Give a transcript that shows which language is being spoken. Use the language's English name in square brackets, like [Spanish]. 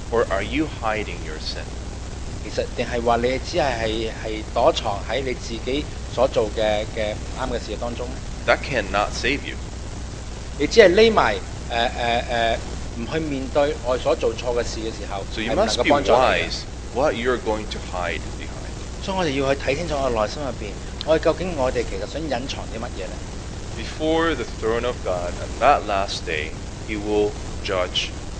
[English] Or are you hiding your sin? [Chinese] 其实，定是说你只是躲藏在你自己所做的不对的事当中？ [English] That cannot save you. [Chinese] 你只是躲起来， 不去面对我所做错的事的时候， [English] so you must be wise what you're going to hide behind. [Chinese] 所以我们要去看清楚我内心里面，我们究竟我们其实想隐藏些什么呢？ [English] Before the throne of God on that last day, He will judge.